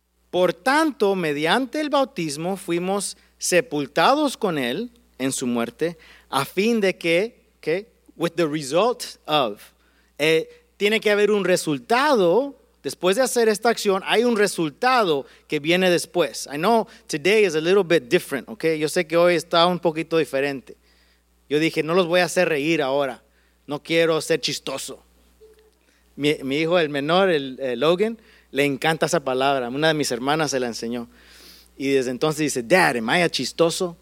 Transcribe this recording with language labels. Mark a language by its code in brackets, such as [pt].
[es] Por tanto, mediante el bautismo, fuimos sepultados con él en su muerte, a fin de que, ¿qué? [en] With the result of, [es] tiene que haber un resultado. Después de hacer esta acción, hay un resultado que viene después. [en] I know today is a little bit different, okay? [es] Yo sé que hoy está un poquito diferente. Yo dije, no los voy a hacer reír ahora. No quiero ser chistoso. Mi hijo, el menor, el Logan, Le encanta esa palabra. Una de mis hermanas se la enseñó. Y desde entonces dice, [en] Dad, am I a [es] chistoso?